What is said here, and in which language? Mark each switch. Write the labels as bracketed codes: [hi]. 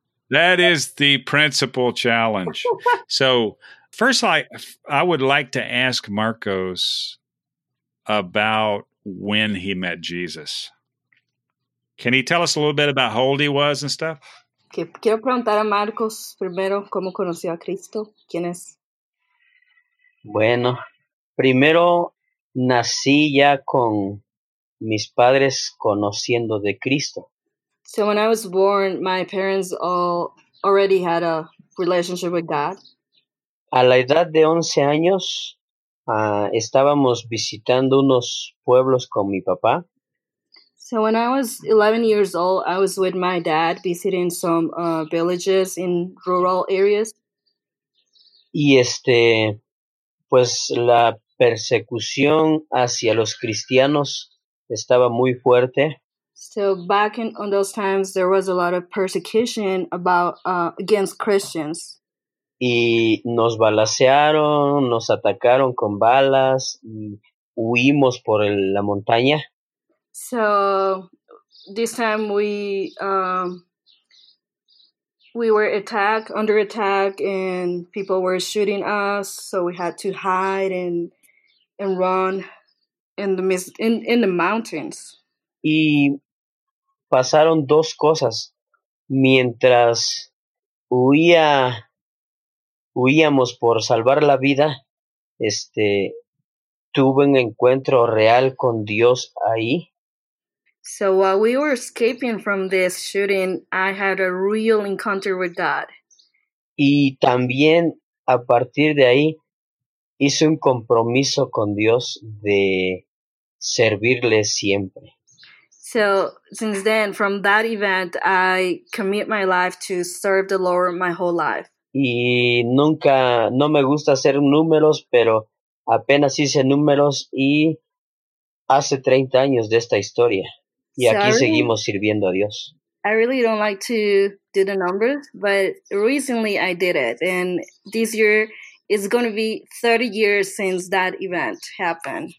[en] That is the principal challenge. So first, I would like to ask Marcos about when he met Jesus. Can he tell us a little bit about how old he was and stuff? [es] Quiero preguntar a Marcos primero cómo conoció a Cristo. ¿Quién es? Bueno, primero nací ya con mis padres conociendo de Cristo. [en] So when I was born, my parents all already had a relationship with God. [es] A la edad de 11 años, estábamos visitando unos pueblos con mi papá. [en] So when I was 11 years old, I was with my dad visiting some villages in rural areas. [es] Y pues la persecución hacia los cristianos estaba muy fuerte. [en] So back in on those times, there was a lot of persecution about against Christians. [es] Y nos balacearon, nos atacaron con balas, y huimos por la montaña. [en] So this time we were under attack, and people were shooting us. So we had to hide and run in the mountains. [es] Y pasaron dos cosas. Mientras huíamos por salvar la vida, tuve un encuentro real con Dios ahí. [en] So while we were escaping from this shooting, I had a real encounter with God. [es] Y también a partir de ahí hice un compromiso con Dios de servirle siempre. [en] So since then, from that event, I commit my life to serve the Lord my whole life. [es] Y nunca, no me gusta hacer números, pero apenas hice números y hace 30 años de esta historia. Y so aquí seguimos sirviendo a Dios. [en] I really don't like to do the numbers, but recently I did it. And this year is going to be 30 years since that event happened.